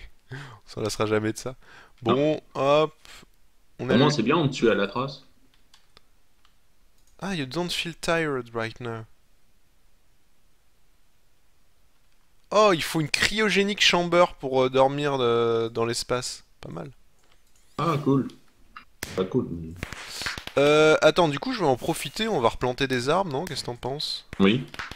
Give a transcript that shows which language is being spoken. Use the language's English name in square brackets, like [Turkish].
[French] On s'en lassera jamais de ça. Bon, hop. On Au moins, allume. c'est bien, on tue à la trace. [English] Ah, you don't feel tired right now. [French] Oh, il faut une cryogénique chamber pour dormir dans l'espace. Pas mal. Ah, cool. Pas cool. Attends, du coup, je vais en profiter. On va replanter des arbres, non? Qu'est-ce que t'en penses? Oui.